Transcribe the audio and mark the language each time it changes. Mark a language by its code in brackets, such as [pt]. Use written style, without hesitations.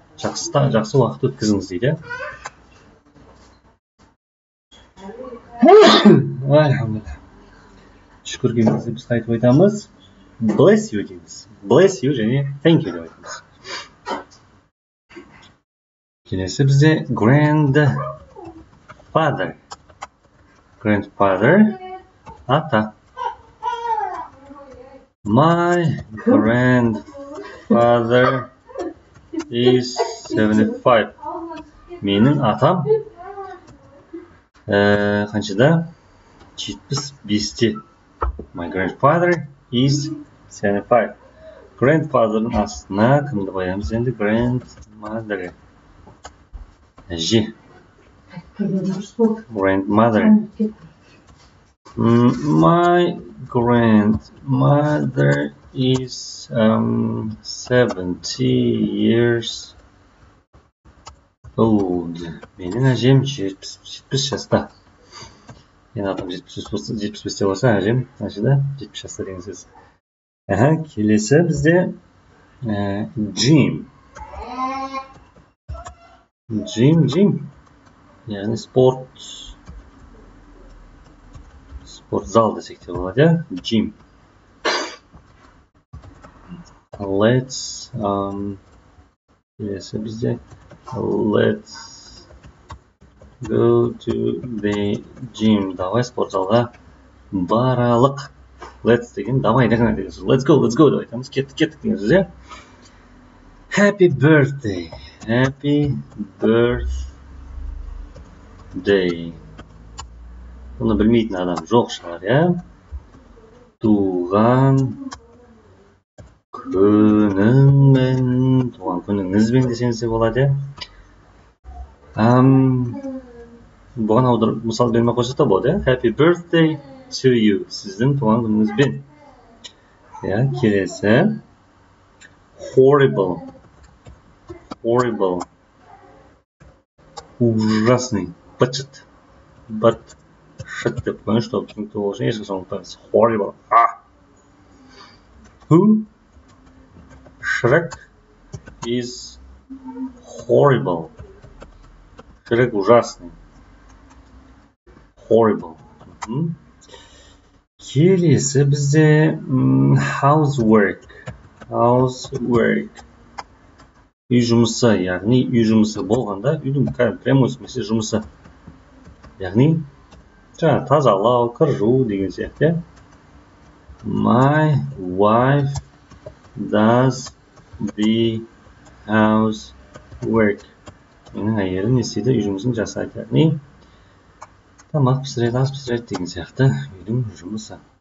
[kk] Жақсы, жақсы уақыт өткізіңіз дейді. Шүкірге бізді біз қайтып айтамыз. [en] Bless you [kk] дейміз. [en] Bless you [kk] және [en] thank you [kk] деп айтамыз. Келесі бізде grandfather. [en] Grandfather. Ата. My grandfather is 75. [kk] Менің атам қаншада? [en] 75-те. My grandfather is 75. [kk] Grandfather-ның астына кімді қоямыз енді? [en] Grandmother. Әже. Grandmother. My grandmother is 70 years old. [kk] Менің әжем 70 жаста. Менің атам 70 жаста болса, әжем, әжеде 70 жаста деген сөз. Келесі бізде джим. Джим. Яғни спорт. Спорт зал десек те болады, ә? Джим. [en] Let's [kk] келесі бізде [en] let's go to the gym. [kk] Давай спортзалға баралық. Let's деген давай деген деген сөз. Let's go деп айтамыз. Кеттік деген сөз, иә. [en] Happy birthday. Happy birthday. [kk] Бұны білмейтін адам жоқ шығар, иә. Туған күніңмен, туған күніңізбен десеңіз болады, иә. Бұған аудар мысал бермей қойса да болады, иә. [en] Happy birthday to you. [kk] Сіздің туған күніңізбен. Иә, келесі. [en] Horrible. Horrible. [ru] Ужасный. [kk] Бачыт. Бат. Шыт деп қойын, [ru] чтоб [kk] түсінікті болу үшін ешқашан ұмытпаңыз. [en] Horrible. А. Who? Шрек is horrible. [ru] Шрек ужасный. [en] Horrible. [kk] Келесі бізде housework. [en] Housework. [kk] Үй жұмысы, яғни үй жұмысы болғанда, үйдің кәрі [ru] прямой смысле [kk] жұмысы. Яғни, жаңа тазалау, кір жуу деген сияқты. [en] My wife does the housework. [kk] Менің әйелім не істейді, үй жұмысын жасайды. Яғни, тамақ пісіреді, ас пісіреді деген сияқты үйдің жұмысы.